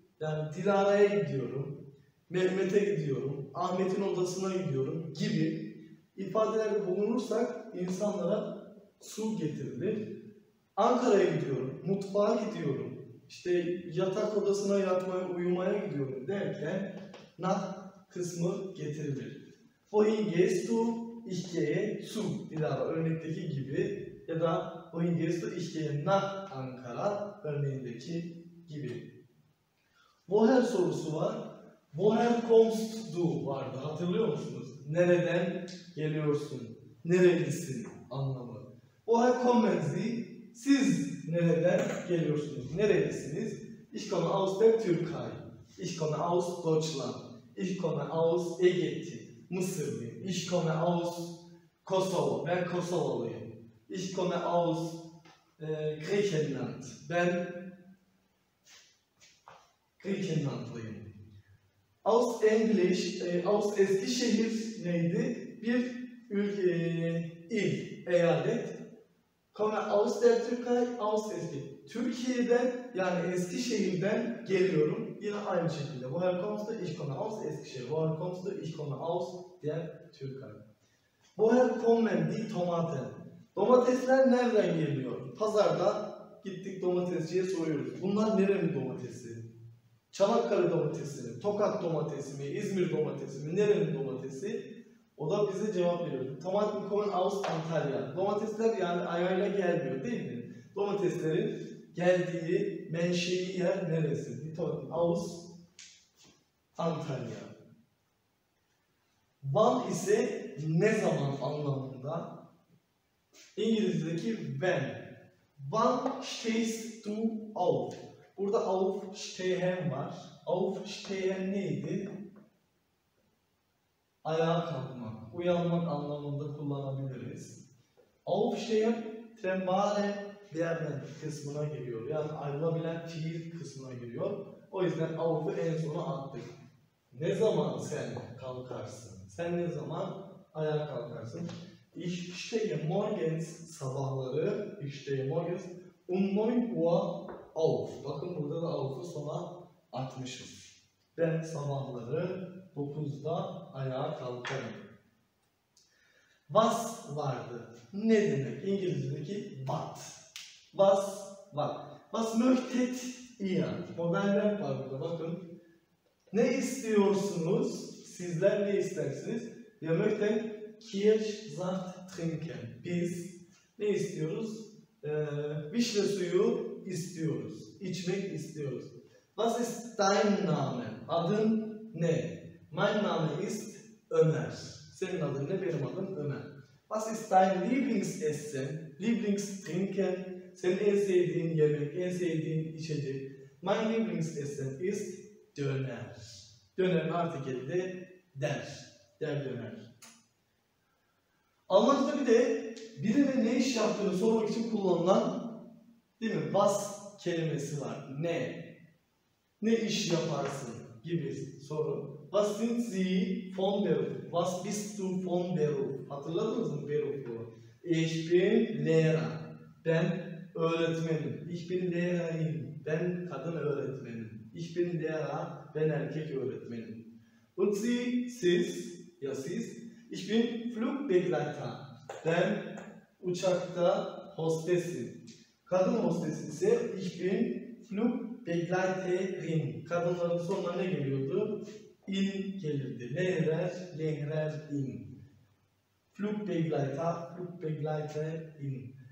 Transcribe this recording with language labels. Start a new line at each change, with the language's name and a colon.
Turkish: Yani Dilara'ya gidiyorum, Mehmet'e gidiyorum, Ahmet'in odasına gidiyorum gibi ifadeler bulunursak insanlara su getirilir. Ankara'ya gidiyorum, mutfağa gidiyorum, işte yatak odasına yatmaya, uyumaya gidiyorum derken nah kısmı getirilir.
German: Vohin gehst du, ich gehe zu.
Turkish: Dilara örnekteki gibi ya da
German: vohin gehst du, ich gehe nach Ankara
Turkish: örneğindeki gibi. Woher sorusu var.
German: Woher kommst du
Turkish: vardı, hatırlıyor musunuz? Nereden geliyorsun? Nerelisin anlamı.
German: Woher kommen Sie?
Turkish: Siz nereden geliyorsunuz? Nerelisiniz?
German: Ich komme aus der Türkei. Ich komme aus Deutschland. Ich komme aus Egetti.
Turkish: Mısırlıyım.
German: Ich komme aus Kosovo.
Turkish: Ben Kosovalıyım.
German: Ich komme aus Griechenland.
Turkish: Ben Griechenlandlıyım.
German: Aus English, aus Eskişehir neydi?
Turkish: Bir ülke, il, eyalet.
German: Komme aus der Türkei, aus Eskişehir.
Turkish: Türkiye'den, yani Eskişehir'den geliyorum. Yine aynı şekilde.
German: Woher kommst du? Ich komme aus Eskişehir. Woher kommst du? Ich komme aus der Türkei. Woher kommen die Tomaten?
Turkish: Domatesler nereden geliyor? Pazarda gittik domatesciye soruyoruz. Bunlar nerenin domatesi? Çanakkale domatesi mi, Tokat domatesi mi, İzmir domatesi mi, nerenin domatesi? O da bize cevap veriyor.
German: Tomaten kommen aus Antalya.
Turkish: Domatesler yani ayağıyla gelmiyor değil mi? Domateslerin geldiği menşei yer neresi?
German: Tomaten aus Antalya.
Turkish: Wann ise ne zaman anlamında? İngilizce'deki when.
German: Wann stehst du auf?
Turkish: Burada aufstehen var. Aufstehen neydi? Ayağa kalkmak, uyanmak anlamında kullanabiliriz. Aufstehen, tremare derden kısmına geliyor. Yani ayrılabilen fiil kısmına geliyor. O yüzden auf'u en sona attık. Ne zaman sen kalkarsın? Sen ne zaman ayağa kalkarsın?
German: Ich stehe morgens
Turkish: sabahları.
German: Ich stehe morgens. Um 9 Uhr auf.
Turkish: Bakın burada da auf'u sona atmışım. Ben sabahları 9'da ayağa kalkarım. Was vardı? Ne demek? İngilizce'deki what.
German: Was var. Was möchtet ihr?
Turkish: Modeller var burada bakın. Ne istiyorsunuz? Sizler ne istersiniz?
German: Wir möchten Kirschsaft trinken.
Turkish: Biz ne istiyoruz? Vişne suyu istiyoruz. İçmek istiyoruz.
German: Was ist dein Name?
Turkish: Adın ne?
German: Mein Name ist Ömer.
Turkish: Senin adın ne? Benim adım Ömer.
German: Was ist dein Lieblingsessen? Lieblingstrinken.
Turkish: Senin en sevdiğin yemek, en sevdiğin içecek.
German: Mein Lieblingsessen ist Döner.
Turkish: Dönerin artikeli de der. Der döner. Almanca'da bir de birinin ne iş yaptığını sormak için kullanılan, değil mi? Was kelimesi var. Ne? Ne iş yaparsın gibi soru.
German: Was sind Sie von Beruf? Was bist du von Beruf?
Turkish: Hatırladınız mı Beruf'u?
German: Ich bin Lehrer.
Turkish: Ben öğretmenim.
German: Ich bin Lehrerin.
Turkish: Ben kadın öğretmenim.
German: Ich bin Lehrer.
Turkish: Ben erkek öğretmenim.
German: Und Sie,
Turkish: siz, ja siz.
German: Ich bin Flugbegleiter.
Turkish: Ben uçakta hostesim. Kadın hostes ise
German: ich bin Flugbegleiterin.
Turkish: Kadınların sonuna ne geliyordu? İn gelirdi. Lehrer, Lehrerin.
German: Flugbegleiter, Flugbegleiterin.